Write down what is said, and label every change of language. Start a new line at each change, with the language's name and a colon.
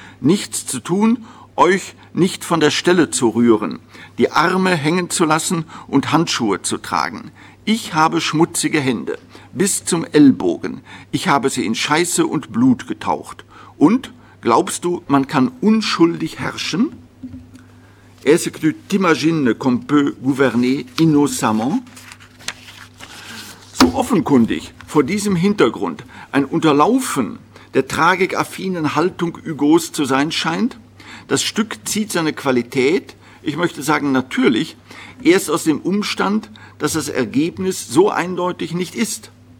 German: Nichts zu tun, euch nicht von der Stelle zu rühren, die Arme hängen zu lassen und Handschuhe zu tragen. Ich habe schmutzige Hände, bis zum Ellbogen. Ich habe sie in Scheiße und Blut getaucht. Und, glaubst du, man kann unschuldig herrschen?
French: Est-ce que tu t'imagines qu'on peut gouverner innocemment?
German: So offenkundig vor diesem Hintergrund ein Unterlaufen der tragikaffinen Haltung Hugos zu sein scheint, das Stück zieht seine Qualität, ich möchte sagen natürlich, erst aus dem Umstand, dass das Ergebnis so eindeutig nicht ist.